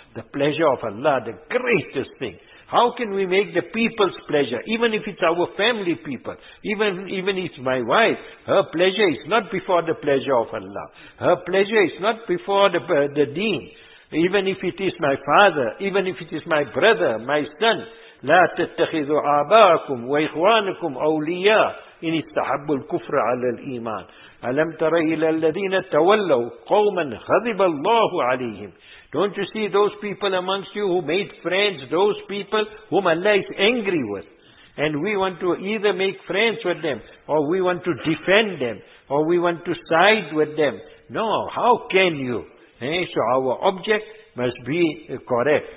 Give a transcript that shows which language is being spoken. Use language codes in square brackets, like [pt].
[en] The pleasure of Allah, the greatest thing. How can we make the people's pleasure, even if it's our family people, even if it's my wife, her pleasure is not before the pleasure of Allah. Her pleasure is not before the deen. Even if it is my father, even if it is my brother, my son. [ar] لا تتخذوا آباءكم وإخوانكم أولياء إن استحبوا الكفر على الإيمان. ألم تر إلى الذين تولوا قوما غضب الله عليهم. [en] Don't you see those people amongst you who made friends, those people whom Allah is angry with? And we want to either make friends with them, or we want to defend them, or we want to side with them. No, how can you? So our object must be correct.